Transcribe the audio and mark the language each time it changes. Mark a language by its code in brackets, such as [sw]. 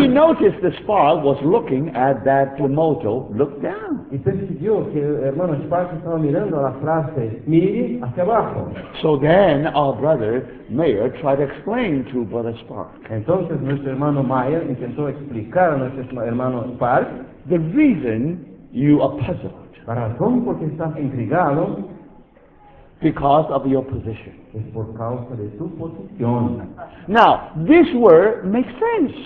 [en] He noticed that Spott was looking at that motto, look down. [es] Y percibió que el hermano Spott estaba mirando la frase, mire hacia abajo. [en] So then, our brother Meyer tried to explain to Brother Spott. [es] Entonces, nuestro hermano Meyer intentó explicar a nuestro hermano Spott, [en] the reason you are puzzled. [es] La razón por qué estás intrigado. [en] Because of your position. [es] Es por causa de tu posición. [en] Now, this word makes sense.